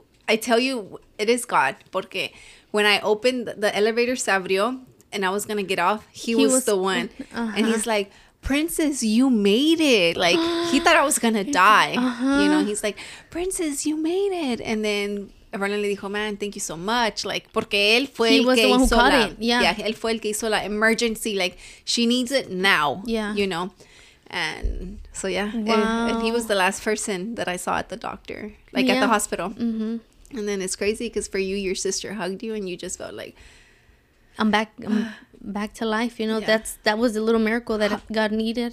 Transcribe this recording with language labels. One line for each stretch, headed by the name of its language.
English: I tell you, it is God.
Spanish: Porque
English: when I opened the elevator,
Spanish: se abrió,
English: and I was going to get off, he was the one. Uh-huh. And he's like, Princess, you made it. Like, he thought I was going to die. Uh-huh. You know, he's like, Princess, you made it. And then... Everyone
Spanish: le dijo,
English: man, thank you so much. Like,
Spanish: porque él fue el que hizo la... Yeah, él fue el que hizo la
English: emergency. Like, she needs it now. Yeah. You know? And so, yeah. Wow. And he was the last person that I saw at the doctor. Like, at the hospital. Mm-hmm. And then it's crazy because for you, your sister hugged you and you just felt like... I'm back. I'm back to life. You know, that was a little miracle that God needed